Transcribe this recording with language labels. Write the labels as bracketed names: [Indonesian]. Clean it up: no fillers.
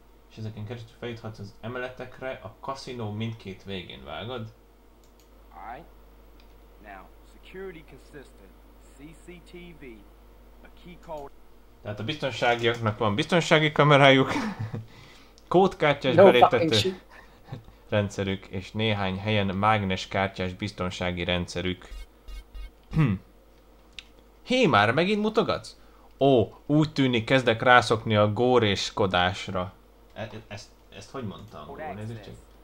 [Hungarian] És ezeken keresztül feljuthatsz az emeletekre, a kaszinó mindkét végén vágod. [English] Alright. Now, security consists of CCTV, a key code. [Hungarian] Tehát a biztonságiaknak van biztonsági kamerájuk, kódkártyás [English] no [Hungarian] beléptető rendszerük, és néhány helyen mágnes kártyás biztonsági rendszerük. Hé, már megint mutogatsz? Ó, úgy tűnik, kezdek rászokni a góréskodásra. Ezt hogy mondtam? Nézzük csak.